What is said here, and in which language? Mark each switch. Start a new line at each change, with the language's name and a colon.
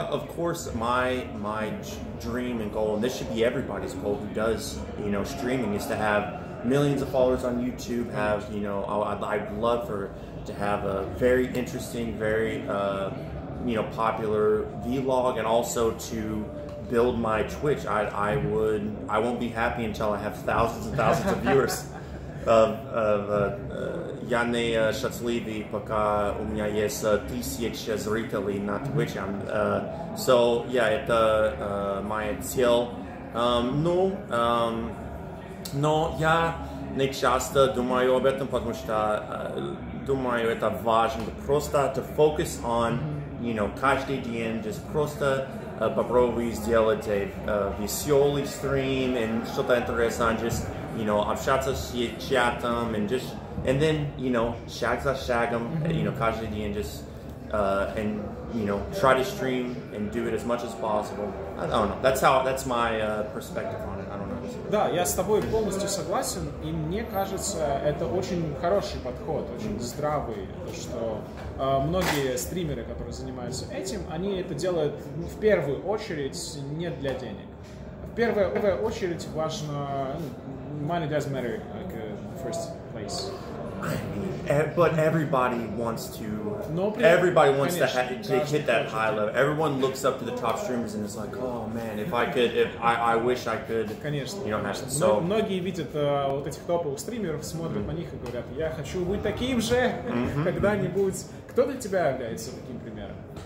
English: Of course, my dream and goal, and this should be everybody's goal who does, you know, streaming, is to have millions of followers on YouTube. Have, you know, I'd love for to have a very interesting, very you know, popular vlog, and also to build my Twitch. I won't be happy until I have thousands and thousands of viewers.
Russian: Я не счастливый, пока у меня есть тысяча зрителей на Twitch.
English: So yeah,
Russian: это моя цель. Но я не часто думаю об этом, потому что думаю, это важно просто
English: to focus on. You know,
Russian: каждый день
English: just
Russian: просто попробуй сделать веселый стрим
English: and
Russian: что-то интересное,
English: just, you know,
Russian: общаться с чатом
English: and just, and then, you know,
Russian: shag за shagом,
English: you know, каждый день just, and, you know, try to stream and do it as much as possible. I don't know, that's my perspective on it.
Russian: Да, я с тобой полностью согласен, и мне кажется, это очень хороший подход, очень здравый, то, что многие стримеры, которые занимаются этим, они это делают в первую очередь не для денег. В первую очередь важно...
English: Money does matter, like, first place. But everybody wants to... Everybody wants to hit that high level. Everyone looks up to the top streamers and is like, oh man, if I could, if I wish I could...
Russian: Конечно.
English: You know, have so...
Russian: Многие видят вот этих топовых стримеров, смотрят на них и говорят, я хочу быть таким же когда-нибудь. Кто для тебя является таким примером?